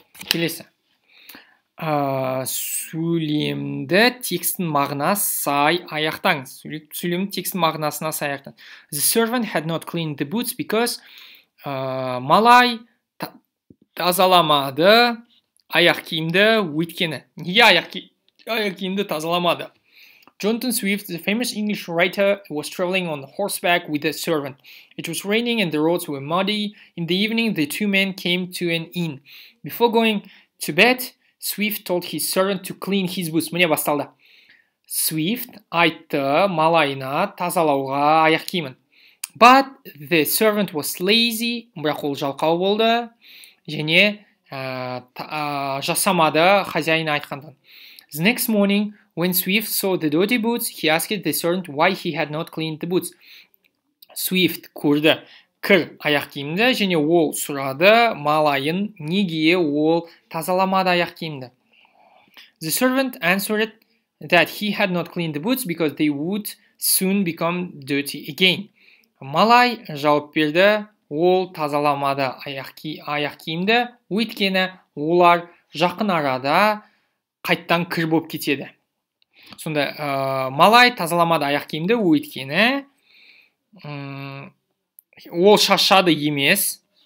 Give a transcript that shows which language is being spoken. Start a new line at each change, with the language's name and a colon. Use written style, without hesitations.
Kazakh: Келесі. Сөйлемді текстің мағынасына сай аяқтаңыз. Сөйлемді текстің мағынасына сай аяқтаңыз.
English: The servant had not cleaned the boots because
Kazakh: малай тазаламады аяқ киімді, өйткені. Неге аяқ киімді тазаламады?
English: Jonathan Swift, the famous English writer, was traveling on horseback with a servant. It was raining and the roads were muddy. In the evening, the two men came to an inn. Before going to bed, Swift told his servant to clean his boots.
Kazakh: Міне басталды. Swift айтты малайына тазалауға аяқ киімін.
English: But the servant was lazy.
Kazakh: Бірақ ол жалқау болды. Және жасамады хозяин айтқандан.
English: The next morning, when Swift saw the dirty boots, he asked the servant why he had not cleaned the boots.
Kazakh: Swift көрді. Кір аяқ киімді, және ол сұрады малайын, неге ол тазаламады аяқ киімді.
English: The servant answered that he had not cleaned the boots because they would soon become dirty again.
Kazakh: Малай жауап берді, ол тазаламады аяқ киімді, өйткені олар жақын арада қайттан кір болып кетеді. Сонда малай тазаламады аяқ киімді, өйткені ол шаршады емес.